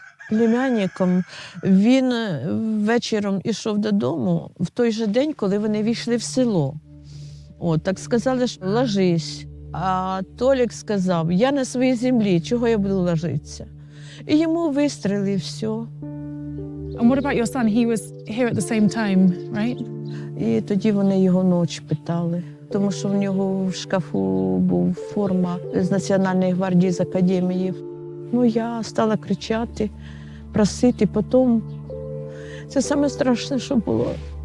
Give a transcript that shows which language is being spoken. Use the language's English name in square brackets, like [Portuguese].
[Ukrainian] Племянником, він вечором йшов додому, в той же день, коли вони війшли в село. От, так сказали, що ложись. А Толік сказав, я на своїй землі, чого я буду ложитися? І йому вистріли, все. [English] And what about your son? He was here at the same time, right? [Ukrainian] І тоді вони його ночі питали, тому що в нього в шкафу був форма з Національної гвардії, з академії. Ну, я стала кричати, просити, потім... Це саме страшне, що було.